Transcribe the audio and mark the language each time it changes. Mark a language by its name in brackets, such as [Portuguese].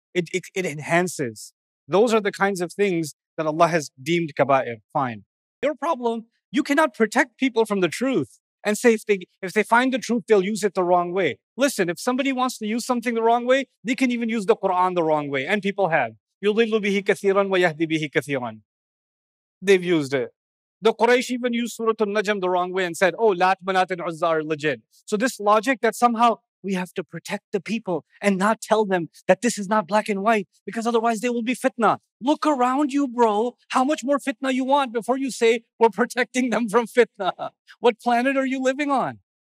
[English] It enhances. Those are the kinds of things that Allah has deemed kaba'ir. Fine. Your problem, you cannot protect people from the truth and say if they find the truth, they'll use it the wrong way. Listen, if somebody wants to use something the wrong way, they can even use the Quran the wrong way. And people have. [Arabic] يُضِلُّ بِهِ كَثِيرًا وَيَهْدِ بِهِ كَثِيرًا. [English] They've used it. The Quraysh even used Surah An-Najm the wrong way and said, oh, Lat, Manat, and Uzza are legit. So this logic that somehow we have to protect the people and not tell them that this is not black and white, because otherwise they will be fitna. Look around you, bro. How much more fitna you want before you say we're protecting them from fitna? What planet are you living on?